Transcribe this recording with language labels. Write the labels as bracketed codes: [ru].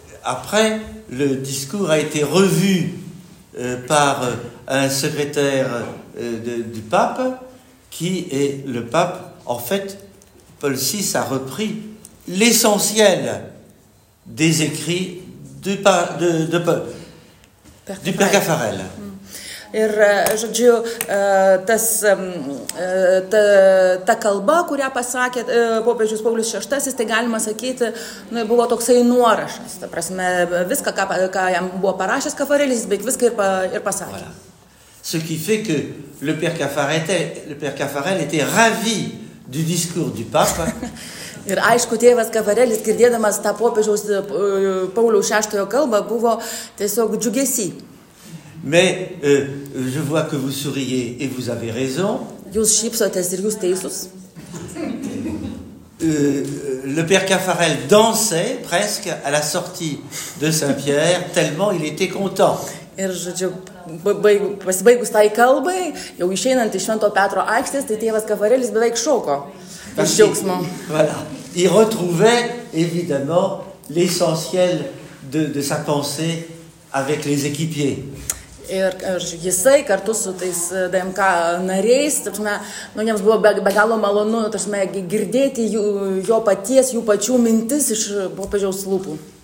[fr] Après, le discours a été revu par un secrétaire du pape, qui est le pape. En fait, Paul VI a repris l'essentiel des écrits du père Caffarel. [lt] Ir, žodžiu, tas, ta, ta kalba, kurią pasakė popiežius Paulius VI, tai galima sakyti, nu, buvo toksai nuorašas. Ta prasme, viską, ką, ką jam buvo parašęs Caffarelis, bet viską ir, ir pasakė. [fr] Voilà. Ce qui fait que le père Caffarel était ravi du discours du pape. [lt] Ir aišku, tėvas Caffarelis, girdėdamas tą popiežiaus Pauliaus VI kalbą, buvo tiesiog džiugesi. [fr] Mais je vois que vous souriez et vous avez raison. [lt] Jūs šypsotės ir jūs teisus. [fr] Le père Caffarel dansait presque à la sortie de Saint-Pierre, tellement il était content. [lt] Ir žodžiu, pasibaigus tai kalbai, jau išeinant iš Švento Petro aikštės, tai tėvas Caffarelis beveik šoko iš džiaugsmo. [fr] Voilà. Il retrouvait évidemment l'essentiel de sa pensée avec les équipiers. [lt] Ir jisai kartu su tais DMK nariais, tarsime, nu, jiems buvo be galo malonu, tarsime, girdėti jo paties, jų pačių mintis iš popiežiaus lūpų.